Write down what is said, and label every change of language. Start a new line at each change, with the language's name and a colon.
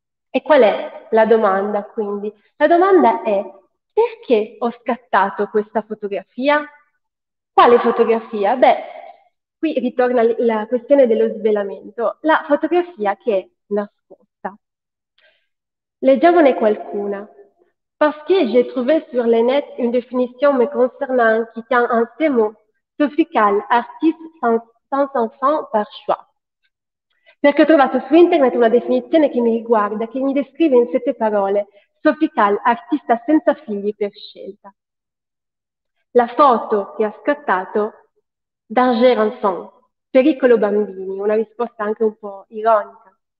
Italian: E qual è la domanda, quindi? La domanda è: perché ho scattato questa fotografia? Quale fotografia? Beh, qui ritorna la questione dello svelamento. La fotografia che è nascosta. Leggiamone qualcuna.
French: Parce que j'ai trouvé sur le net une définition me concernant qui tient en ces mots. Sophie Calle, artiste sans enfant par choix.
Italian: Perché ho trovato su internet una definizione che mi riguarda, che mi descrive in 7 parole. Sophie Calle, artista senza figli per scelta. La foto che ha scattato, Danger enfant, pericolo bambini, una risposta anche un po' ironica.